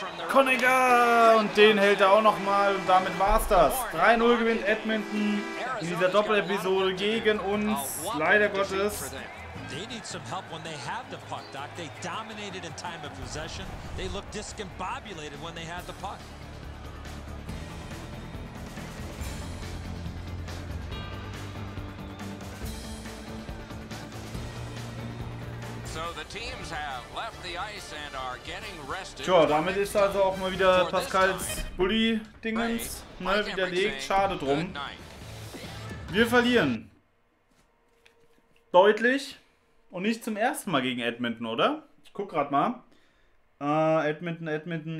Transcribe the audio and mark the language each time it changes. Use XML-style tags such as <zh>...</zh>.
<de>Konega! Und den hält er auch nochmal und damit war's das. 3-0 gewinnt Edmonton in dieser Doppelepisode gegen uns. Leider Gottes.</de> <en>They need some help when they have the puck, Doc. They dominated in time of possession. They look discombobulated when they had the puck. So the teams have left the ice and are getting rested.</en> <de>Tja, damit ist also auch mal wieder Pascals Bulli-Dingens mal widerlegt. Schade drum. Wir verlieren. Deutlich. Und nicht zum ersten Mal gegen Edmonton, oder? Ich guck gerade mal. Edmonton.</de>